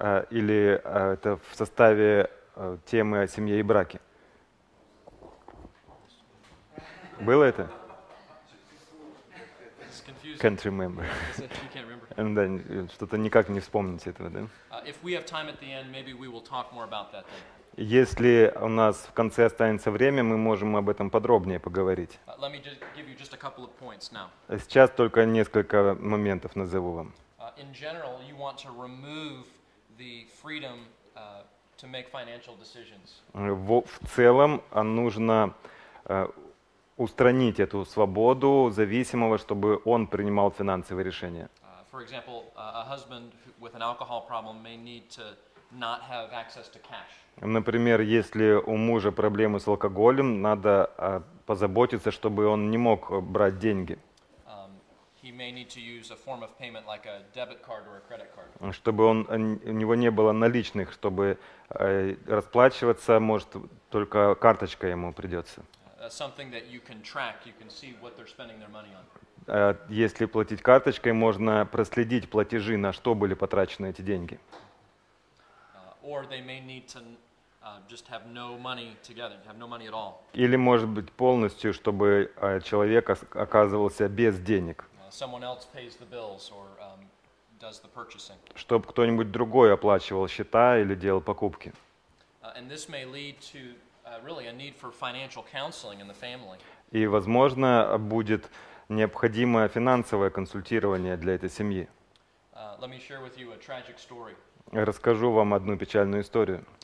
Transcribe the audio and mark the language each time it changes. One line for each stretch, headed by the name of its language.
Russian: Или это в составе темы о семье и браке? Было это?
English: Can't remember.
Russian: Да, что-то никак не вспомнить этого, да?
English: If we have time at the end, maybe we will talk more about that then.
Russian: Если у нас в конце останется время, мы можем об этом подробнее поговорить.
English: Let me just give you just a couple of points now.
Russian: Сейчас только несколько моментов назову вам.
English: In general, you want to remove the freedom to make financial decisions.
Russian: В целом нужно устранить эту свободу зависимого, чтобы он принимал финансовые решения.
English: For example, a husband with an alcohol problem may need to not have access to cash.
Russian: Например, если у мужа проблемы с алкоголем, надо позаботиться, чтобы он не мог брать деньги.
English: He may need to use a form of payment like a debit card or a credit card.
Russian: Чтобы он, у него не было наличных, чтобы расплачиваться, может, только карточка ему придется.
English: Something that you can track, you can see what they're spending their money on.
Russian: Если платить карточкой, можно проследить платежи, на что были потрачены эти деньги.
English: Or they may need to just have no money together, have no money at all.
Russian: Или, может быть, полностью, чтобы человек оказывался без денег.
English: Someone else pays the bills or does the purchasing.
Russian: Чтобы кто-нибудь другой оплачивал счета или делал покупки.
English: And this may lead to really a need for financial counseling in the family.
Russian: И, возможно, будет необходимо финансовое консультирование для этой семьи.
English: Let me share with you a tragic story.
Russian: Расскажу вам одну печальную историю.